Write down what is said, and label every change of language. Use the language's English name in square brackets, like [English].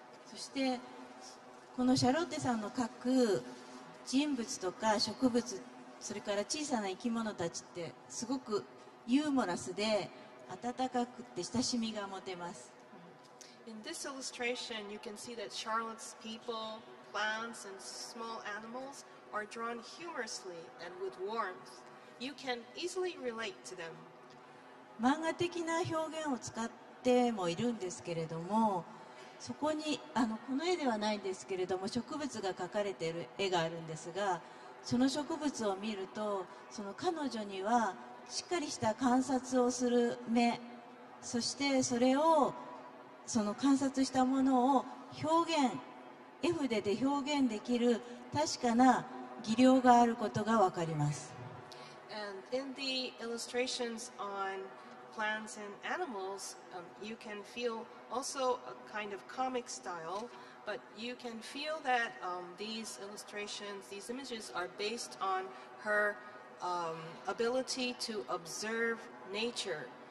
[Japanese] そしてこのシャロッテさんの描く人物とか植物それから小さな生き物たちってすごくユーモラスで温かくて親しみが持てます。 [English] In this illustration, you can see that Charlotte's people, plants, and small animals are drawn humorously and with warmth. You can easily relate to them. [Japanese] 漫画的な表現を使ってもいるんですけれども、そこにこの絵ではないんですけれども、植物が描かれている絵があるんですが、その植物を見ると、その彼女にはしっかりした観察をする目、そしてそれをその観察したものを表現、絵筆で表現できる確かな技量があることがわかります。 [English] And in the illustrations on plants and animals, you can feel also a kind of comic style. But you can feel that these illustrations, these images are based on her ability to observe nature.